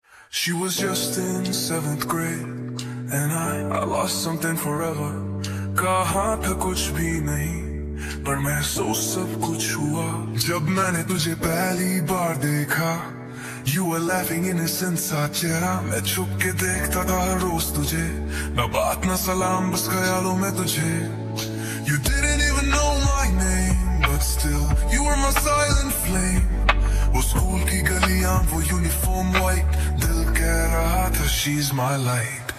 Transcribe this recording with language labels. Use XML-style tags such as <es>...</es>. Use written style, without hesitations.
<en>She was just in seventh grade, and I lost something forever.</en> <hi>कहाँ था कुछ भी नहीं, पर मैं सोच सब कुछ हुआ. जब मैंने तुझे पहली बार देखा,</hi> <en>you were laughing innocent</en> <hi>सा चेहरा. मैं छुप के देखता था हर रोज तुझे, न बात न सलाम, बस ख्यालों में तुझे.</hi> <en>You didn't even know my name, but still you were my silent flame.</en> <hi>वो स्कूल की गलियां, वो यूनिफॉर्म व्हाइट, दिल कह रहा था</hi> <en>she's my light.</en>